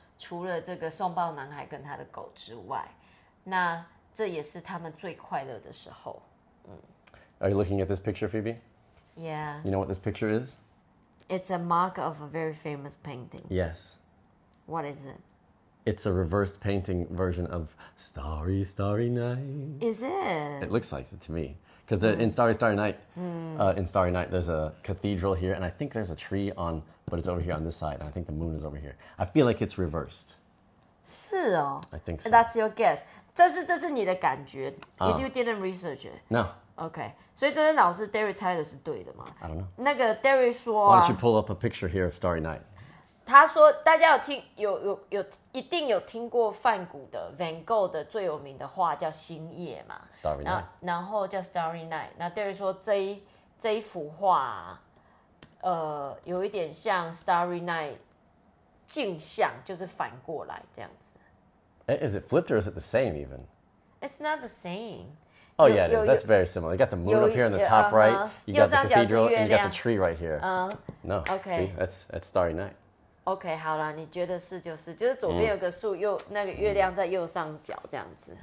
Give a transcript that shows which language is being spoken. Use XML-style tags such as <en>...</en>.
<zh>除了这个送报男孩跟他的狗之外，那这也是他们最快乐的时候。嗯。</zh> <en>Are you looking at this picture, Phoebe? Yeah. You know what this picture is? It's a mock of a very famous painting. Yes. What is it? It's a reversed painting version of Starry, Starry Night. Is it? It looks like it to me. Because in Starry, Starry Night,in Starry Night, there's a cathedral here, and I think there's a tree on... But it's over here on this side, and I think the moon is over here. I feel like it's reversed.</en> <zh>是哦。</zh> <en>I think so. That's your guess. 这是你的感觉。 You didn't research it. No. Okay.</en> <zh>所以这是老师 Derry 猜的是对的吗？</zh> <en>I don't know.</en> <zh>那个 Derry 说啊。</zh> <en>Why don't you pull up a picture here of Starry Night?</en> <zh>他说大家有听有一定有听过梵谷的 Van Gogh 的最有名的画叫星夜嘛。</zh> <en>Starry Night.</en> <zh>然后叫 Starry Night. 那 Derry 说这一幅画、啊。有一点像 Starry Night 镜像，就是反过来这样子。</zh> <en>Is it flipped or is it the same even? It's not the same. Oh yeah, it is. That's very similar. You got the moon up here in the top right. You got the cathedral and you got the tree right here. No, okay. See, that's Starry Night.</en> <zh>Okay, 好了，你觉得是就是，就是左边有个树，右那个月亮在右上角这样子。</zh>